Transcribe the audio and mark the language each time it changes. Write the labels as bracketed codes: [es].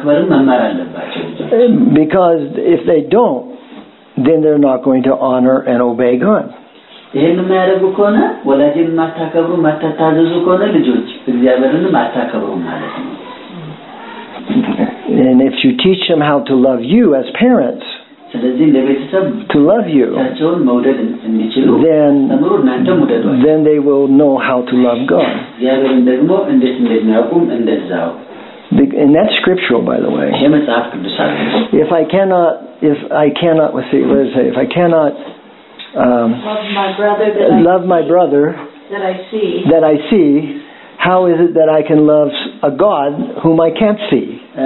[en] Because if they don't, then they're not going to honor and obey God. [am] ይሄን ማረጉ ከሆነ ወላጅን ማታከብሩ ማታታዘዙ ከሆነ ልጆች እግዚአብሔርን ማታከብሩ ማለት ነው. [en] And if you teach them how to love you as parents, [am] ስለዚህ ለቤተሰብ [en] to love you, [am] ታቸውን መውደድ እንዲችሉ ተምሩ እናንተ መውደዱ. [en] Then they will know how to love God. [am] እግዚአብሔርን ደግሞ እንዴት እንደሚያውቁም እንደዛው. [en] and that's scriptural, by the way. Love my brother that I see, how is it that I can love a God whom I can't see?